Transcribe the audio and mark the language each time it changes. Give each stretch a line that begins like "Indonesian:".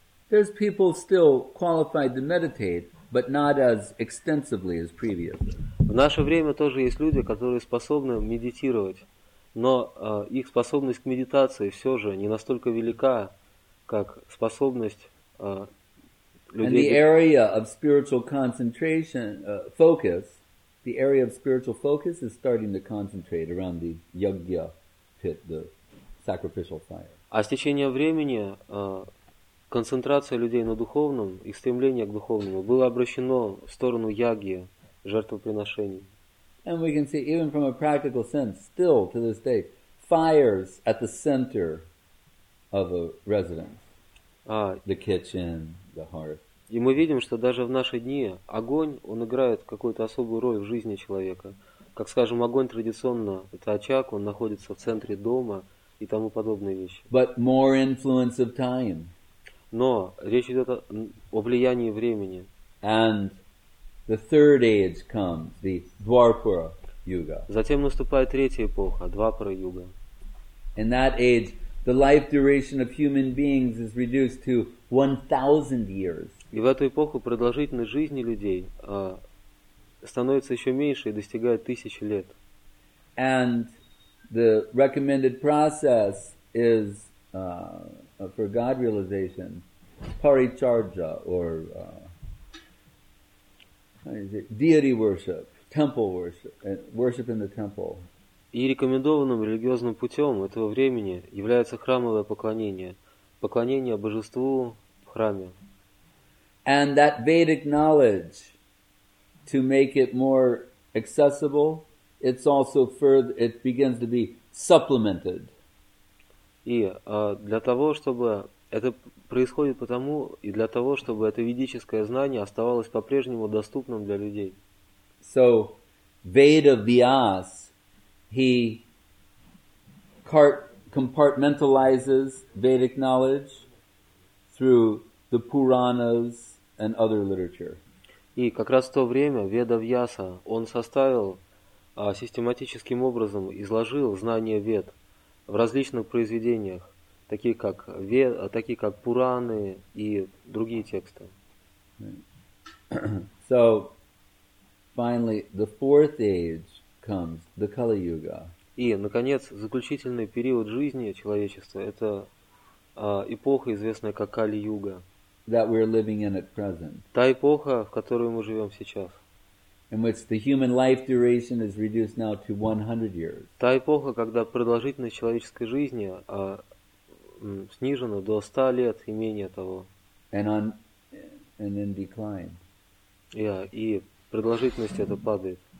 English: There's people still qualified to meditate, but not as extensively as previously.
Russian: В наше время тоже есть люди, которые способны медитировать, но их способность к медитации все же не настолько велика, как способность людей.
English: And the area of spiritual concentration, focus, the area of spiritual focus is starting to concentrate around the yajna pit, the sacrificial fire.
Russian: А с течением времени концентрация людей на духовном, их стремление к духовному, было обращено в сторону яги, жертвоприношений.
English: And we can see, even from a practical sense, still to this day, fires at the center of a residence, the kitchen, the hearth.
Russian: И мы видим, что даже в наши дни огонь, он играет какую-то особую роль в жизни человека. Как, скажем, огонь традиционно, это очаг, он находится в центре дома и тому подобные вещи.
English: But more influence of time.
Russian: Но речь идет о влиянии времени.
English: And the third age comes, the Dwapara Yuga.
Russian: Затем наступает третья эпоха, Двапара Юга.
English: In that age, the life duration of human beings is reduced to 1,000 years.
Russian: И в эту эпоху продолжительность жизни людей становится еще меньше и достигает 1000 лет.
English: And the recommended process is for God realization, Paricharja, or deity worship, temple worship, worship in the temple.
Russian: И рекомендованным религиозным путем этого времени является храмовое поклонение, поклонение божеству в храме.
English: And that Vedic knowledge, to make it more accessible, it's also further. It begins to be supplemented.
Russian: И для того, чтобы это происходит потому, и для того, чтобы это ведическое знание оставалось по-прежнему доступным для людей.
English: So, Veda Vyas, he compartmentalizes Vedic knowledge through the Puranas and other literature.
Russian: И как раз в то время Веда Вьяса, он составил систематическим образом, изложил знания Вед в различных произведениях, такие как Пураны и другие тексты.
English: So, finally, the fourth age comes, the Kali Yuga.
Russian: И, наконец, заключительный период жизни человечества — это эпоха, известная как Кали Юга.
English: That we're living in at present.
Russian: Та эпоха, в которой мы живем сейчас.
English: In which the human life duration is reduced now to 100 years.
Russian: Та эпоха, когда продолжительность человеческой жизни снижена до 100 лет и менее того.
English: And in decline.
Russian: Yeah, и продолжительность это падает.